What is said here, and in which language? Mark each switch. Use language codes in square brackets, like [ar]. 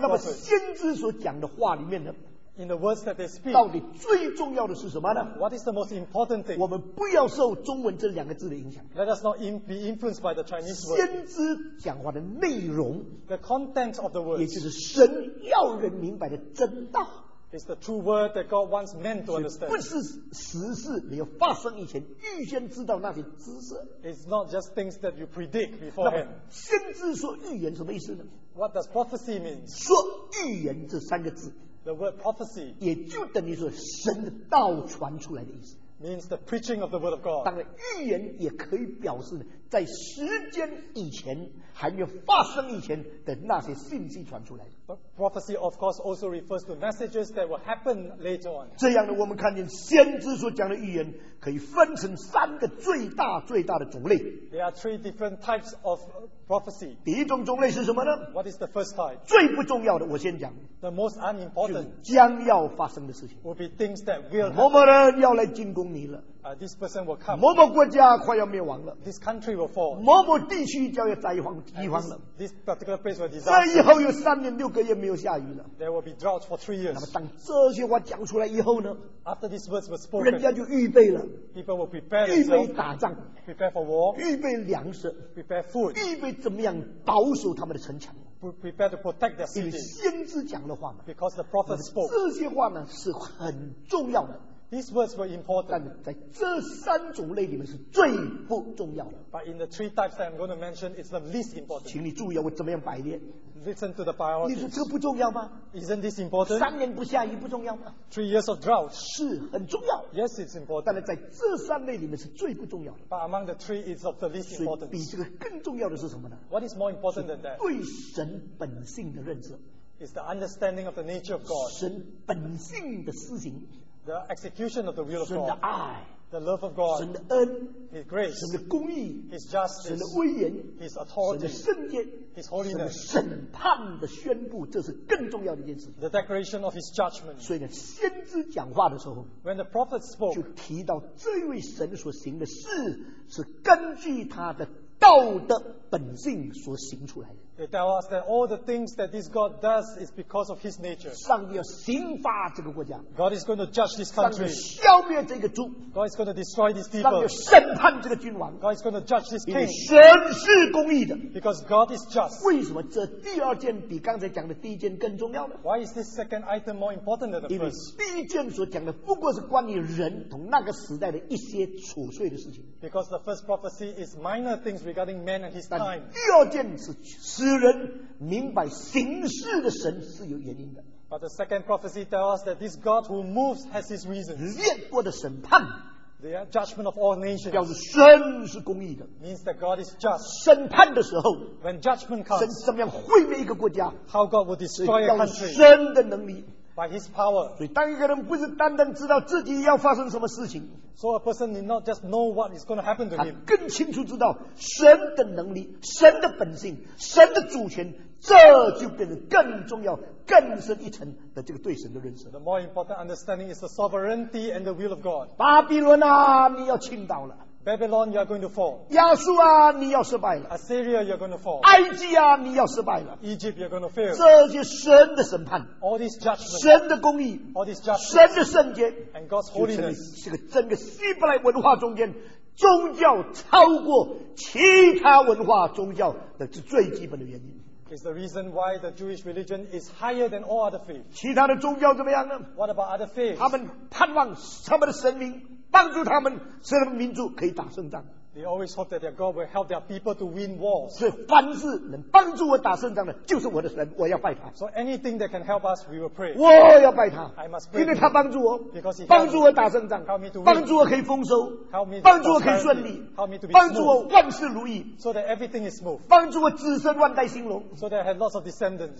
[zh] 那么先知所讲的话里面 [en] In the words that they speak, [zh] 到底最重要的是什么呢 [en] ？What is the most important thing? [zh] 我们不要受中文这两个字的影响。 [en] Let us not be influenced by the Chinese word. [zh] 先知讲话的内容 [en] ，the content of the words, [zh] 也就是神要人明白的真道。 [en] It's the true word that God wants men to understand. [zh] 不是时事没有发生以前预先知道那些知识。 [en] It's not just things that you predict beforehand. [zh] 先知说预言什么意思呢 [en] ？What does prophecy mean? [zh] 说预言这三个字。 [en] The word prophecy [zh] 也就等于说神的道传出来的意思 [en] means the preaching of the word of God. [zh] 当然，预言也可以表示在时间以前还没有发生以前的那些信息传出来的。 [en] But prophecy, of course, also refers to messages that will happen later on. [zh] 这样呢，我们看见先知所讲的预言可以分成三个最大最大的种类。 [en] There are three different types of prophecy. [zh] 第一种种类是什么呢 [en] ？What is the first type? [zh] 最不重要的，我先讲。 [en] The most unimportant. [zh] 将要发生的事情。 [en] Will be things that will. [zh] 某某人要来进攻你了。 [en] This person will come. [zh] 某某国家快要灭亡了。 [en] This country will fall. [zh] 某某地区将要灾荒饥荒了。 [en] This particular place will disaster. [zh] 再以后有三年六个月没有下雨了。 [en] There will be drought for 3 years. [zh] 那么当这些话讲出来以后呢 [en] ？After these words were spoken, [zh] 人家就预备了。 [en] People will prepare. [zh] 预备打仗。 [en] Prepare for war. [zh] 预备粮食。 [en] Prepare food. [zh] 预备怎么样保守他们的城墙。 [en] Prepare to protect their city. [zh] 因为先知讲的话嘛。 [en] Because the prophet spoke. [zh] 这些话呢是很重要的。 [en] These words were important. [zh] 但在这三种类里面是最不重要的。 [en] But in the three types that I'm going to mention, it's the least important. [zh] 请你注意啊，我怎么样摆列 [en] ？Listen to the priority. [zh] 你说这不重要吗 [en] ？Isn't this important? [zh] 三年不下雨不重要吗 [en] ？Three years of drought [zh] 是很重要。 [en] Yes, it's important. [zh] 但在这三类里面是最不重要的。 [en] But among the three, it's of the least important. [zh] 比这个更重要的是什么呢 [en] ？What is more important than that? [zh] 对神本性的认知。 [en] is the understanding of the nature of God. [zh] 神本性的施行。 [en] The execution of the will of God. [zh] 神的爱。 [en] The love of God. [zh] 神的恩。 [en] His grace. [zh] 神的公义。 [en] His justice. [zh] 神的威严。 [en] His authority. [zh] 神的圣洁。 [en] His holiness. [zh] 神的审判的宣布，这是更重要的一件事情。 [en] The declaration of his judgment. [zh] 所以先知讲话的时候， [en] when the prophet spoke, [zh] 就提到这位神所行的事是根据他的道德本性所行出来的。 [en] They tell us that all the things that this God does is because of his nature. [zh] 上帝要刑罚这个国家。 [en] God is going to judge this country. [zh] 上帝消灭这个族。 [en] God is going to destroy these people. [zh] 上帝要审判这个君王。 [en] God is going to judge this king. [zh] 因为神是公义的。 [en] Because God is just. [zh] 为什么这第二件比刚才讲的第一件更重要呢？ [en] Why is this second item more important than the first? [zh] 因为第一件所讲的不过是关于人同那个时代的一些琐碎的事情。 [en] Because the first prophecy is minor things regarding man and his time. [zh] 第二件是使人明白行事的神是有原因的。 [en] But the second prophecy tells us that this God who moves has his reason. [zh] 列国的审判。 [en] The judgment of all nations. [zh] 表示神是公义的。 [en] Means that God is just. [zh] 审判的时候。 [en] When judgment comes. [zh] 神怎么样毁灭一个国家。 [en] How God will destroy a country. [zh] 神的能力。 [en] By his power. [zh] 所以当一个人不是单单知道自己要发生什么事情。 [en] So a person need not just know what is going to happen to him. [zh] 他更清楚知道神的能力、神的本性、神的主权，这就变得更重要、更深一层的这个对神的认识。 [en] The more important understanding is the sovereignty and the will of God. [zh] 巴比伦啊，你要倾倒了。 [en] Babylon, you are going to fall. [zh] 亚述啊，你要失败了。 [en] Assyria, you are going to fall. [zh] 埃及啊，你要失败了。 [en] Egypt, you are going to fail. [zh] 这就是神的审判。 [en] All this judgment. [zh] 神的公义。 [en] All this judgment. [zh] 神的圣洁。 [en] And God's holiness. [zh] 是个整个希伯来文化中间宗教超过其他文化宗教的最基本的原因。 [en] Is the reason why the Jewish religion is higher than all other faiths. [zh] 其他的宗教怎么样呢？ [en] What about other faiths? [zh] 他们盼望他们的神明帮助他们，使他们民族可以打胜仗。 [en] They always hope that their God will help their people to win wars. [zh] 所以凡是能帮助我打胜仗的，就是我的神，我要拜他。 [en] So anything that can help us, we will pray. [zh] 我要拜他。 [en] I must pray. [zh] 因为他帮助我。 [en] Because he [zh] 帮助我打胜仗。 [en] Help me to win. [zh] 帮助我可以丰收。 [en] Help me. [zh] 帮助我可以顺利。 [en] Help me to be. [zh] 帮助我万事如意。 [en] So that everything is smooth. [zh] 帮助我子孙万代兴隆。 [en] So that I have lots of descendants.